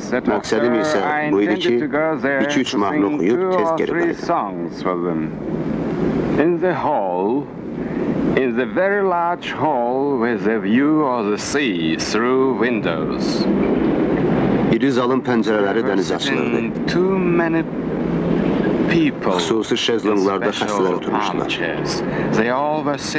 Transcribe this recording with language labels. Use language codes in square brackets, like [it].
[az] Məqsədim isə bu idi ki, 2-3 mahnı oxuyub tez geri qayıdım. [en] In the hall, in the very large hall with a view of the sea through windows. [az] İri zalın pəncərələri dənizə açılırdı. [en] Too many people. [az] Xüsusi şezlonglarda xəstələr oturmuşdular.